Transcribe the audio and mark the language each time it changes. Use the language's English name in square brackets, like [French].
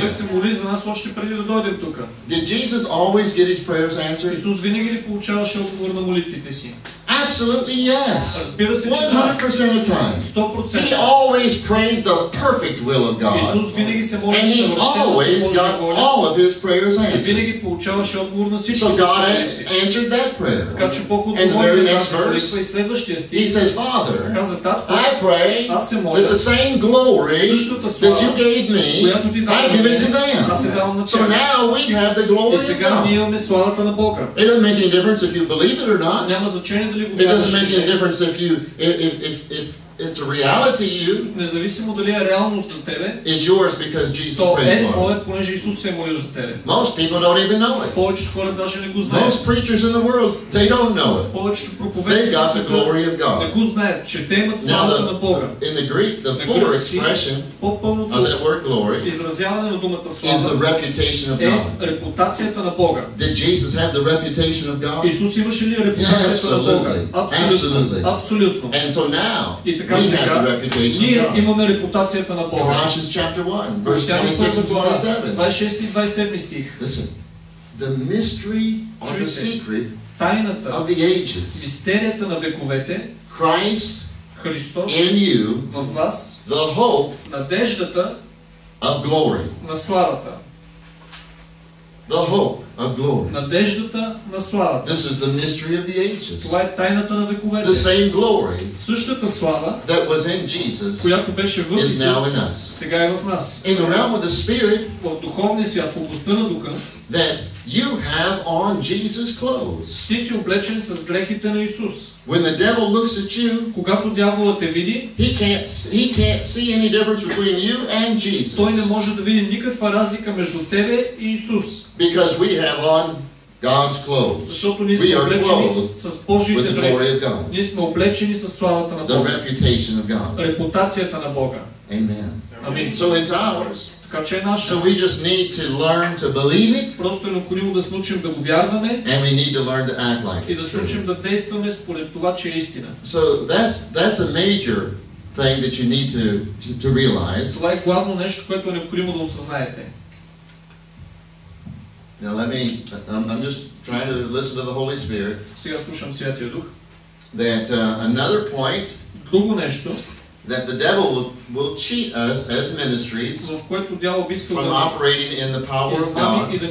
[Bulgarian] Той се моли за нас още преди да дойдем тук. [English] Did Jesus always get his prayers answered? [Bulgarian] Исус винаги ли получаваше отговор на молитвите си? [English] Absolutely yes. 100% of time. [Bulgarian] 100%. [English] He always prayed the perfect will of God. [Bulgarian] Исус винаги се моли. [English] And he always got all of his prayers answered. [Bulgarian] Винаги получаваше отговор на всички. [English] So God answered that prayer. [Bulgarian] Така че Бог отговори на молитвата и следващия стих. [English] He says, Father, [Bulgarian] каза, Татко, [English] pray that the same glory that you gave me, I give it to them. So now we have the glory of God. It doesn't make any difference if you believe it or not. It doesn't make any difference if it's a reality to you. [Bulgarian] Независимо дали е реалност за тебе. [English] It's yours because Jesus prayed for it. [Bulgarian] То е твое, понеже Исус се молил за тебе. [English] Most people don't even know it. [Bulgarian] Повечето хора даже не го знаят. [English] Most preachers in the world, they don't know it. [Bulgarian] Повечето проповедници в света. [English] They got the glory of God. [Bulgarian] Не го знаят, че те имат славата на Бога. [English] In the Greek, the full expression of that word glory [Bulgarian] изразяване на думата слава [English] is the reputation of God. [Bulgarian] Е репутацията на Бога. [English] Did Jesus have the reputation of God? [Bulgarian] Исус имаше ли репутацията на Бога? [English] Absolutely. And so now, [Bulgarian] и така сега, ние имаме репутацията на Бога. [English] Colossians chapter 1, verse 26 and 27. [Bulgarian] 26 и 27 стих. [English] Listen, the mystery or the secret [Bulgarian] тайната, [English] of the ages, [Bulgarian] мистерията на вековете, [English] Christ [Bulgarian] Христос [English] in you, [Bulgarian] във вас, [English] the hope, [Bulgarian] надеждата [English] of glory, [Bulgarian] на славата. [English] The hope of glory. [Bulgarian] Надеждата на славата. [English] This is the mystery of the ages. [Bulgarian] Това е тайната на вековете. [English] The same glory. [Bulgarian] Същата слава. [English] That was in Jesus. [Bulgarian] Която беше в Исус. [English] Is now in us. [Bulgarian] Сега е в нас. [English] In the realm of the spirit. [Bulgarian] В духовния свят, в областта на духа. [English] That you have on Jesus' clothes. [Bulgarian] Ти си облечен с дрехите на Исус. [English] When the devil looks at you, [Bulgarian] когато дяволът те види, [English] he can't see any difference between you and Jesus. [Bulgarian] Той не може да види никаква разлика между тебе и Исус. [English] Because we have on God's clothes. [Bulgarian] Защото ние сме облечени с Божиите дрехи. Ние сме облечени с славата на Бога. [English] The reputation of God. [Bulgarian] Репутацията на Бога. [English] Amen. [Bulgarian] Амин. [English] So it's ours. [Bulgarian] Така че е наша. [English] So we just need to learn to believe it. [Bulgarian] Просто е необходимо да се научим да го вярваме. [English] And we need to learn to act like it. [Bulgarian] И да се научим да действаме според това, че е истина. [English] So that's a major thing that you need to realize. [Bulgarian] Това е главно нещо, което е необходимо да осъзнаете. [English] Now let me. I'm just trying to listen to the Holy Spirit. [Bulgarian] Сега слушам Святия Дух. [English] That another point. [Bulgarian] Друго нещо. [English] That the devil will cheat us as ministries from operating in the power of God.